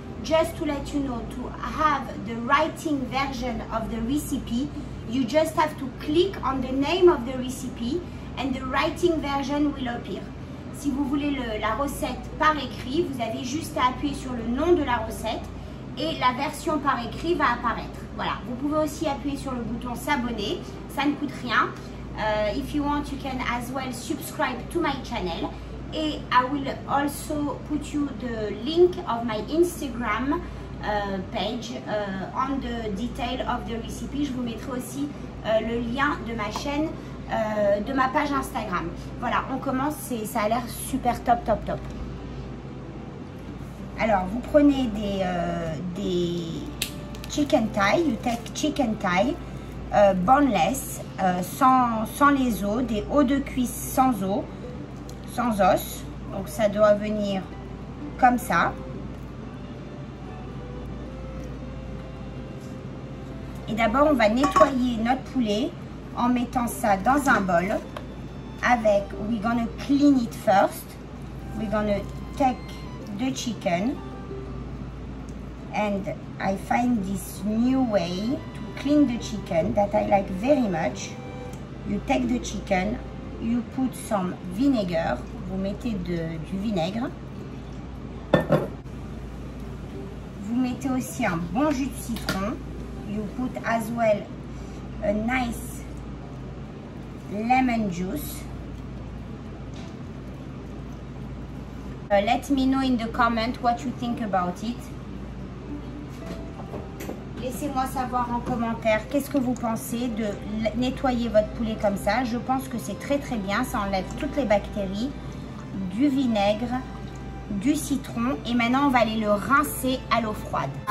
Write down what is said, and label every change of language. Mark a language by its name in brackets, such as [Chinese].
[English] Just to let you know, to have the writing version of the recipe, you just have to click on the name of the recipe and the writing version will appear. [French] Si vous voulez la recette par écrit, vous avez juste à appuyer sur le nom de la recette et la version par écrit va apparaître. Voilà, vous pouvez aussi appuyer sur le bouton s'abonner, ça ne coûte rien. [English] If you want, you can as well subscribe to my channel. And I will also put you the link of my Instagram page on the detail of the recipe. [French] Je vous mettrai aussi le lien de ma chaîne, de ma page Instagram. Voilà, on commence, ça a l'air super top, top, top. Alors, vous prenez des chicken thighs, [English] you take chicken thighs, boneless, [French] sans les os, des os de cuisse sans os. Sans os, donc ça doit venir comme ça. Et d'abord, on va nettoyer notre poulet en mettant ça dans un bol avec. [English] We're gonna clean it first. We're gonna take the chicken. And I find this new way to clean the chicken that I like very much. You take the chicken, you put some vinegar. [French] Vous mettez du vinaigre. Vous mettez aussi un bon jus de citron. [English] You put as well a nice lemon juice. Let me know in the comment what you think about it. [French] Laissez-moi savoir en commentaire qu'est-ce que vous pensez de nettoyer votre poulet comme ça. Je pense que c'est très très bien. Ça enlève toutes les bactéries. Du vinaigre, du citron et maintenant on va aller le rincer à l'eau froide.